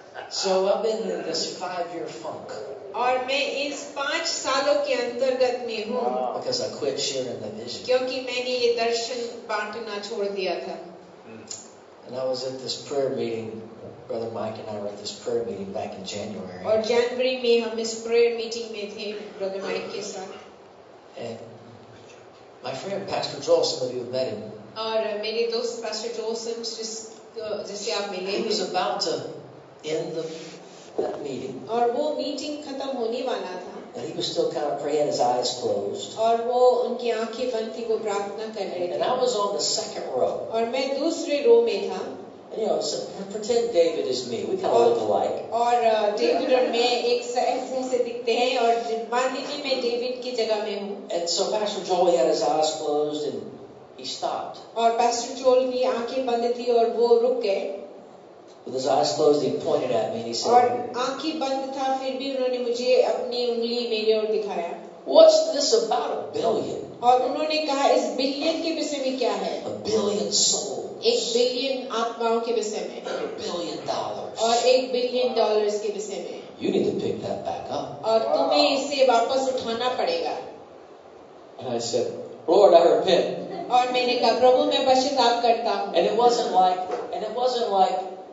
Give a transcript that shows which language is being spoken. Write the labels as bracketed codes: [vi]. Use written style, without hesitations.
[en] So I've been in this five-year funk. [hi] और मैं इस पांच सालों के अंतर्गत में हूँ. [en] Because I quit sharing the vision. [hi] क्योंकि मैंने ये दर्शन बांटना छोड़ दिया था. [en] And I was at this prayer meeting. Brother Mike and I were at this prayer meeting back in January. [hi] और जनवरी में हम इस prayer meeting में थे brother Mike के साथ. [en] And my friend Pastor Joel, some of you have met him. [hi] और मेरे दोस्त Pastor Joel से जिससे आप मिले. [en] He was about to end the that meeting. [hi] और वो meeting खत्म होने वाला था. [en] And he was still kind of praying, his eyes closed. [hi] और वो उनकी आंखें बंद थी वो प्रार्थना कर रहे थे. [en] And I was on the second row. [hi] और मैं दूसरी row में था. [en] And you know, so pretend David is me. We kind of look alike. [hi] और David और मैं एक ऐसे से दिखते हैं और मान लीजिए मैं David की जगह में हूँ. [en] And so Pastor Joel had his eyes closed and he stopped. [hi] और Pastor Joel की आंखें बंद थी और वो रुक गए. [en] With his eyes closed, he pointed at me and he said. [hi] और आंखें बंद था फिर भी उन्होंने मुझे अपनी उंगली मेरी ओर दिखाया. [en] What's this about a billion? [hi] और उन्होंने कहा इस बिलियन के विषय में क्या है? [en] A billion soul. [hi] एक बिलियन आत्माओं के विषय में [en] billion dollars. [hi] और एक बिलियन डॉलर्स के विषय में [en] you need to pick that back up. [hi] और तुम्हें इसे वापस उठाना पड़ेगा [en] And I said, Lord, I repent. [hi] और मैंने कहा प्रभु मैं पश्चाताप करता हूँ [en] And it wasn't like, and it wasn't like,